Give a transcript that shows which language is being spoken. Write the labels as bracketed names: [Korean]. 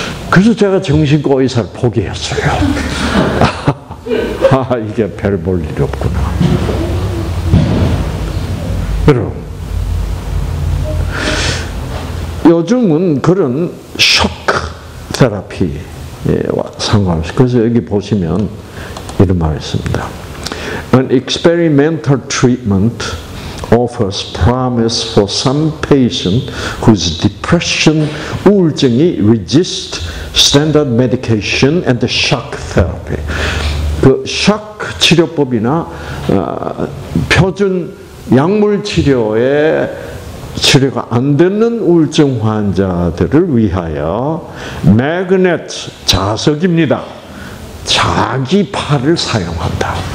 [Korean] 그래서 제가 정신과 의사를 포기했어요. 아, 이게 별 볼 일 없구나. 여러분, 요즘은 그런 쇼크 테라피와 상관없이, 그래서 여기 보시면 이런 말이 있습니다. [English] An experimental treatment offers promise for some patient whose depression, [Korean] 우울증이 [English] resist standard medication and the shock therapy. [Korean] 그 shock 치료법이나 표준 약물 치료에 치료가 안 되는 우울증 환자들을 위하여 magnet 자석입니다. 자기 팔을 사용한다.